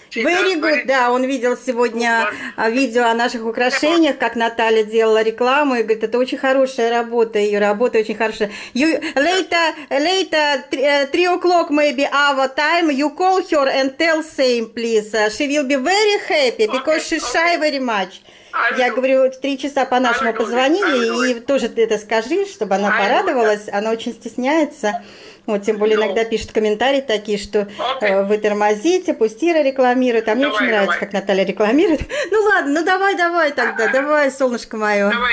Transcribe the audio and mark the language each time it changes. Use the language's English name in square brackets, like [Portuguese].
[English] Very good, [Russian] да, он видел сегодня видео о наших украшениях, как Наталья делала рекламу, и говорит, это очень хорошая работа, ее работа очень хорошая. [English] You, later, 3 o'clock maybe our time, you call her and tell same, please. She will be very happy, because she shy very much. [Russian] Я говорю, в 3 часа по нашему позвони, и тоже ты это скажи, чтобы она порадовалась, она очень стесняется. Вот, тем более иногда пишут комментарии такие, что вы тормозите, пусть Ира рекламирует. А мне очень нравится, как Наталья рекламирует. Ну ладно, ну давай тогда, давай, солнышко мое.